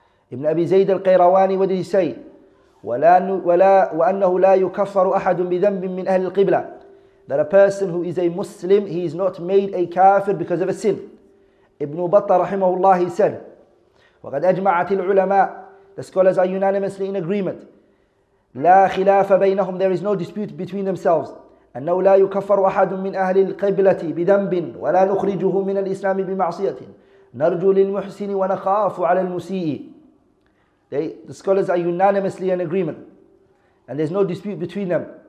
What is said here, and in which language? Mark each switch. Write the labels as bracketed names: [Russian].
[English] Ibn Abi Zayd al-Qayrawani, what did he say? [Arabic] وأنه لا يكفر أحد بذنب من أهل القبلة. [English] That a person who is a Muslim, he is not made a kafir because of a sin. [Arabic] Ibn Battah رحمه الله, [English] he said, [Arabic] وقد أجمعت العلماء, [English] the scholars are unanimously in agreement, [Arabic] لا خلاف بينهم, [English] there is no dispute between themselves, [Arabic] أنه لا يكفر أحد من أهل القبلة بذنب ولا نخرجه من الإسلام بمعصية نرجو للمحسن ونخاف على المسيء. [English] The scholars are unanimously in agreement, and there's no dispute between them.